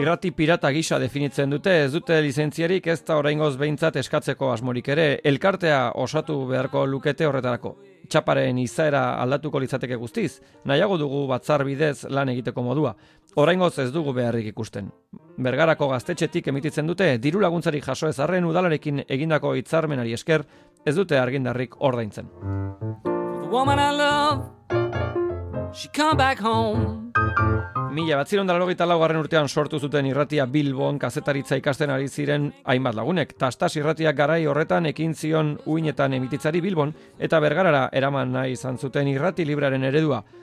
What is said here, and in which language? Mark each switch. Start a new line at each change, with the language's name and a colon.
Basque: Irrati pirata gisa definitzen dute, ez dute lizentziarik, ez da oraingoz behintzat eskatzeko asmorik ere, elkartea osatu beharko lukete horretarako. Txaparen izaera aldatuko litzateke guztiz, nahiago dugu batzar bidez lan egiteko modua. Oraingoz ez dugu beharrik ikusten. Bergarako gaztetxetik emititzen dute, diru laguntzarik jaso ez arren udalarekin egindako hitzarmenari esker, ez dute argindarrik ordaintzen.
English: The woman I love, she come back home.
Basque: 1984 urtean sortu zuten irratia Bilbon kazetaritza ikasten ari ziren hainbat lagunek. Tastas irratia garai horretan ekin zion uinetan emititzari Bilbon eta Bergarara eraman nahi izan zuten irrati libraren eredua.